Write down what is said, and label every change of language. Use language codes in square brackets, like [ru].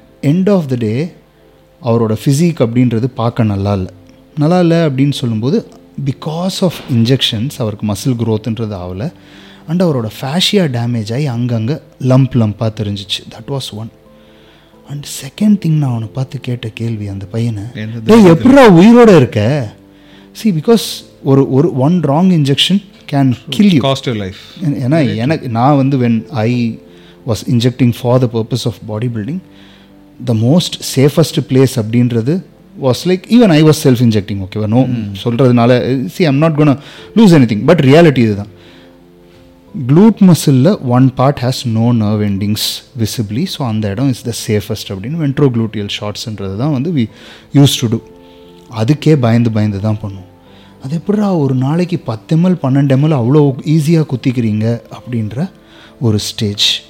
[en] end of the day [ta] அவரோட physique அப்படின்றது பார்க்க நல்லா இல்லை, நல்லா இல்லை அப்படின்னு சொல்லும்போது [en] because of injections [ta] அவருக்கு மசில் க்ரோத்துன்றது ஆகலை. அண்ட் அவரோட ஃபேஷியா டேமேஜ் ஆகி அங்கங்கே லம்ப் லம்பாக தெரிஞ்சிச்சு. [en] That was one. [ta] And second thing, நான் அவனை பார்த்து கேட்ட கேள்வி அந்த பையனை, எப்படா உயிரோடு இருக்க, [en] See, because one wrong injection can kill you. Cost your life. When I was injecting for the purpose of bodybuilding, the most safest place அப்படின்றது was like, even I was self-injecting, okay, no, [ta] சொல்கிறதுனால [en] see, I'm not gonna lose anything, but reality இதுதான். Glute muscle, one part has no nerve endings visibly, so [ta] அந்த இடம் [en] is the safest அப்படின்னு ventrogluteal shortsன்றது தான் வந்து we used to do. [ta] அதுக்கே பயந்து தான் பண்ணுவோம். அது எப்படிரா ஒரு நாளைக்கு 10 ml 12 ml அவ்வளோ ஈஸியாக குத்திக்கிறீங்க அப்படின்ற ஒரு ஸ்டேஜ்.